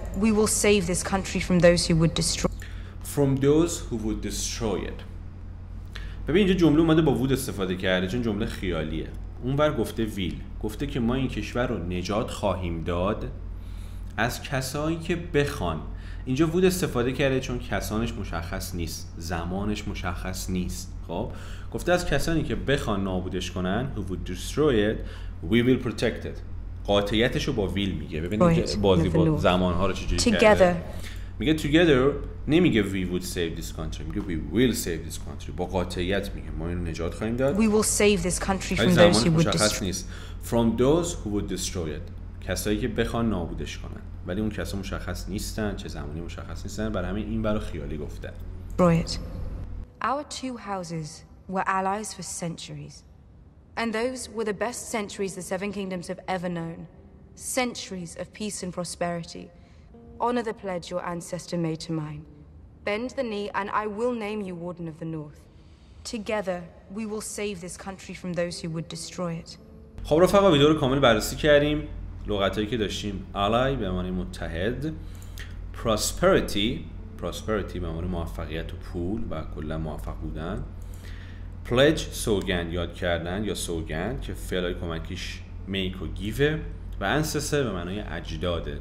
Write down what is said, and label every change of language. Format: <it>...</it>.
<en>We will save this country from those who would destroy. From those who would destroy it.</en> <fa>ببین اینجا جمله اومده با would استفاده کرده، چون جمله خیالیه. اونور گفته will، گفته که ما این کشور رو نجات خواهیم داد از کسایی که بخوان. اینجا وود استفاده کرده چون کسانش مشخص نیست، زمانش مشخص نیست. خب گفته از کسانی که بخوان نابودش کنن،</fa> <en>who would destroy it, we will protect it.</en> <fa>قاطعیتش رو با ویل میگه. ببینید بازی با زمان ها رو چجوری کرده. میگه</fa> <en>together،</en> <fa>نمیگه</fa> <en>we would save this country، میگه we will save this country.</en> <fa>با قاطعیت میگه ما اینو نجات خواهیم داد.</fa> <en>We will save this country from those who would destroy it. From those who would destroy it.</en> <fa>کسایی که بخوان نابودش کنن، ولی اون کسا مشخص نیستن، چه زمانی مشخص نیستن، برای همین این برای خیالی گفته.</fa> <en>Right. Our two houses were allies for centuries. And those were the best centuries the Seven Kingdoms have ever known. centuries of peace and prosperity. Honor the pledge your ancestor made to mine. Bend the knee and I will name you Warden of the North. Together, we will save this country from those who would destroy it.</en> <fa>خب رفقا، ویدیو رو کامل بررسی کردیم. لغتایی که داشتیم: ally به معنی متحد، prosperity به معنی موفقیت و پول و کلا موفق بودن، pledge سوگند یاد کردن یا سوگند که فعلای کمکیش make و give، و ancestor به معنی اجداده.</fa>